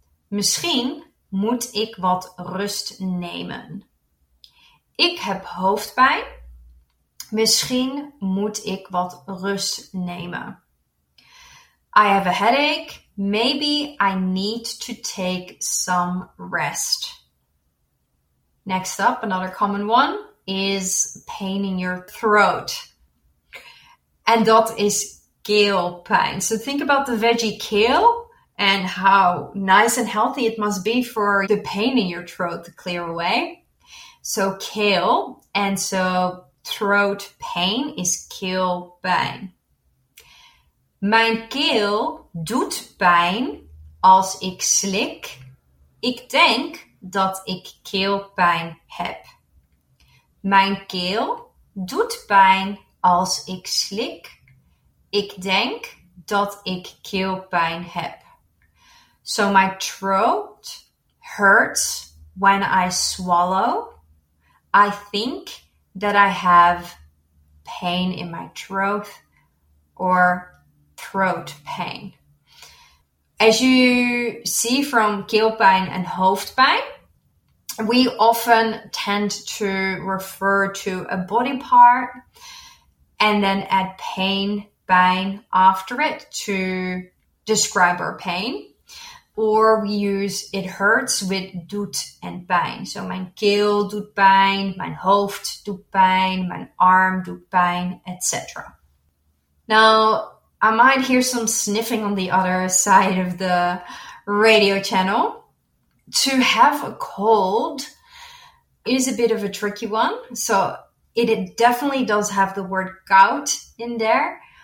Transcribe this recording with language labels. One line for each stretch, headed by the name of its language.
Dutch: Misschien moet ik wat rust nemen. Ik heb hoofdpijn. Misschien moet ik wat rust nemen.
English: I have a headache. Maybe I need to take some rest. Next up, another common one is pain in your throat.
Dutch: En dat is keelpijn.
English: So think about the veggie kale and how nice and healthy it must be for the pain in your throat to clear away. So kale, and so throat pain is keelpijn.
Dutch: Mijn keel doet pijn als ik slik. Ik denk dat ik keelpijn heb. Mijn keel doet pijn als ik slik. Ik denk dat ik keelpijn heb.
English: So my throat hurts when I swallow. I think that I have pain in my throat, or throat pain. As you see from keelpijn and hoofdpijn, we often tend to refer to a body part and then add pain after it to describe our pain, or we use it hurts with doet and pijn.
Dutch: So mijn keel doet pijn, mijn hoofd doet pijn, mijn arm doet pijn, etc.
English: Now I might hear some sniffing on the other side of the radio channel. To have a cold is a bit of a tricky one, so it definitely does have the word koud in there.